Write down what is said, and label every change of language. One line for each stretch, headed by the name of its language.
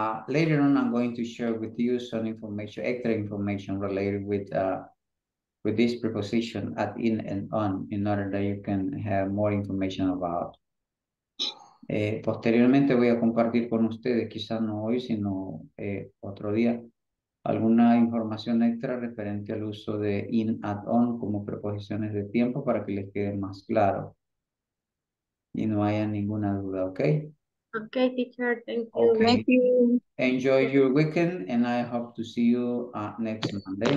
English: Later on, I'm going to share with you some information, extra information related with this preposition at in and on, in order that you can have more information about.
Spanish: Posteriormente voy a compartir con ustedes, quizás no hoy, sino otro día, alguna información extra referente al uso de in and on como preposiciones de tiempo para que les quede más claro y no haya ninguna duda, ¿ok?
English: Okay, teacher, thank you. Okay. Thank you. Enjoy your weekend, and I hope to see you next Monday.